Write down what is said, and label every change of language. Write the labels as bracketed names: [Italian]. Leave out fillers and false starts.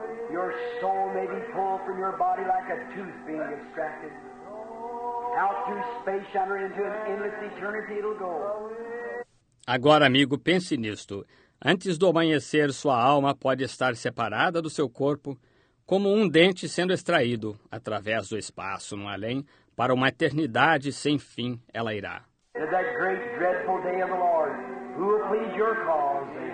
[English] Your soul may be pulled from your body like a tooth being extracted. Out through space, under into an endless eternity, it'll go. [Portuguese] Agora, amigo, pense nisto. Antes do amanhecer, sua alma pode estar separada do seu corpo, como um dente sendo extraído através do espaço no além, para uma eternidade sem fim ela irá. [English] It's that great, dreadful day of the Lord. Who will plead your cause?